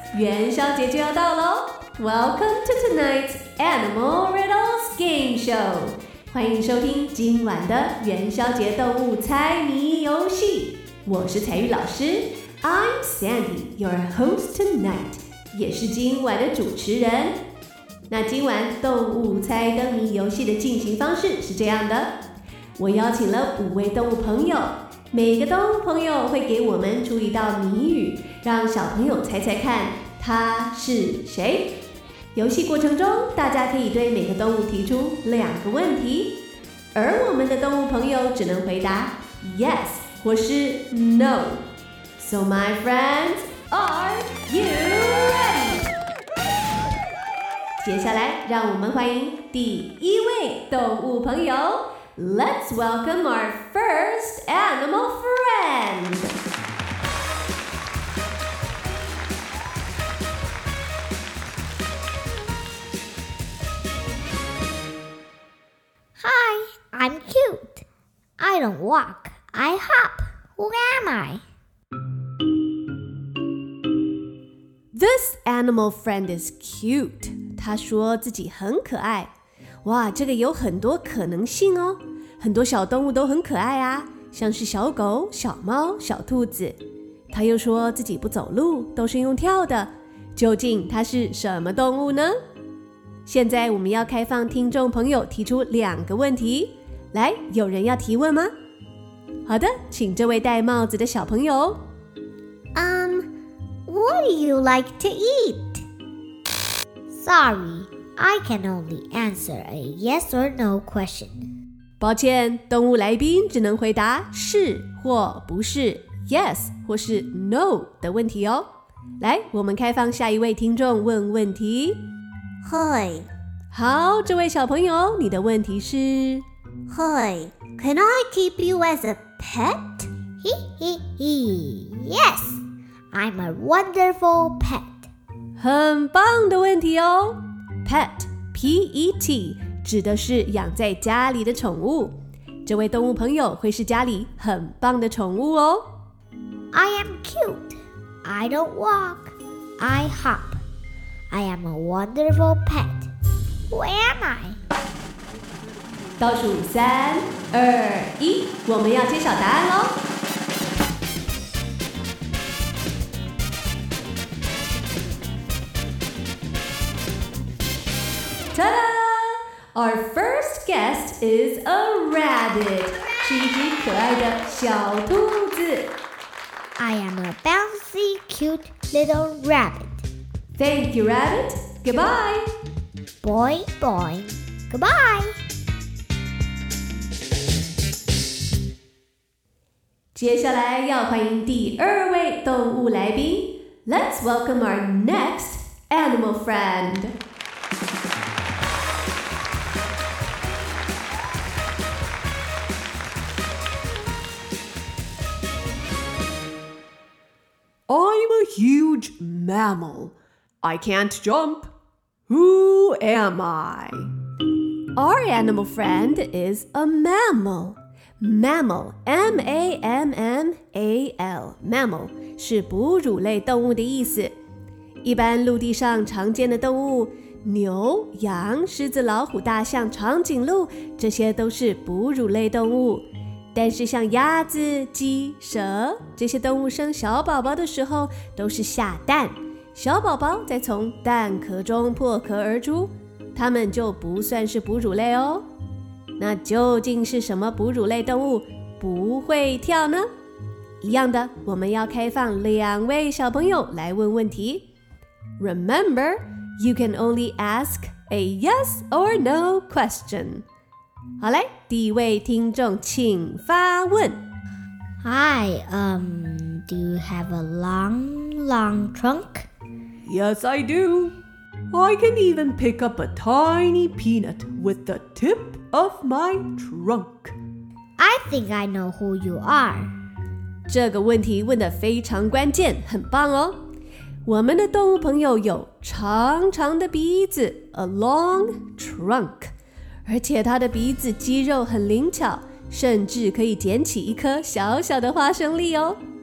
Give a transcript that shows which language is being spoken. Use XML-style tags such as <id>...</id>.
<zh>元宵节就要到咯</zh> <en>Welcome to tonight's Animal Riddles Game Show!</en> <zh>欢迎收听今晚的元宵节动物猜谜游戏。我是彩玉老师 ,</zh> <en>I'm Sandy, your host tonight,</en> <zh>也是今晚的主持人。那今晚动物猜灯谜游戏的进行方式是这样的。我邀请了五位动物朋友，每个动物朋友会给我们出一道谜语，让小朋友猜猜看他是谁。游戏过程中，大家可以对每个动物提出两个问题，而我们的动物朋友只能回答 yes 或是 no。</zh> <en>So my friends, are you ready?</en> <zh>接下来，让我们欢迎第一位动物朋友。</zh> <en>Let's welcome our first animal friend! Hi, I'm cute. I don't walk, I hop. Who am I? This animal friend is cute.</en> <zh>他说自己很可爱。哇，这个有很多可能性哦。很多小动物都很可爱啊，像是小狗、小猫、小兔子。他又说自己不走路，都是用跳的。究竟他是什么动物呢？现在我们要开放听众朋友提出两个问题。来，有人要提问吗？好的，请这位戴帽子的小朋友。</zh> <en>What do you like to eat? Sorry, I can only answer a yes or no question.</en> <zh>抱歉，动物来宾只能回答是或不是 ，yes 或是 no 的问题哦。来，我们开放下一位听众问问题。</zh> <en>Hi，</en> <zh>好，这位小朋友，你的问题是</zh> <en>？Hi，Can I keep you as a pet？</en> <zh>嘿嘿嘿</zh> <en>，Yes，I'm a wonderful pet。</en> <zh>很棒的问题哦 ，pet，p-e-t。P-E-T,指的是养在家里的宠物，这位动物朋友会是家里很棒的宠物哦。</zh> <en>I am cute. I don't walk. I hop. I am a wonderful pet. Who am I?</en> <zh>倒数三、二、一，我们要揭晓答案喽。哒哒。</zh> <en>Our first guest is a rabbit,</en> <zh>是一只可爱的小兔子。</zh> <en>I am a bouncy, cute little rabbit. Thank you, rabbit. Goodbye. Boy, boy, goodbye.</en> <zh>接下来要欢迎第二位动物来宾。</zh> <en>Let's welcome our next animal friend. I'm a huge mammal. I can't jump. Who am I? Our animal friend is a mammal. Mammal, M-A-M-M-A-L.</en> <zh>Mammal 是哺乳类动物的意思。一般陆地上常见的动物，牛、羊、狮子、老虎、大象、长颈鹿，这些都是哺乳类动物。但是像鸭子、鸡、蛇这些动物生小宝宝的时候都是下蛋，小宝宝再从蛋壳中破壳而出，它们就不算是哺乳类哦。那究竟是什么哺乳类动物不会跳呢？一样的，我们要开放两位小朋友来问问题。</zh> <en>Remember, you can only ask a yes or no question.</en> <zh>好嘞，第一位听众请发问。</zh> <en>Hi, do you have a long, long trunk? Yes, I do. I can even pick up a tiny peanut with the tip of my trunk. I think I know who you are.</en> <zh>这个问题问得非常关键，很棒哦。我们的动物朋友有长长的鼻子 ，</zh> <en>a long trunk，</en> <zh>而且它的鼻子肌肉很灵巧，甚至可以捡起一颗小小的花生粒哦。</zh>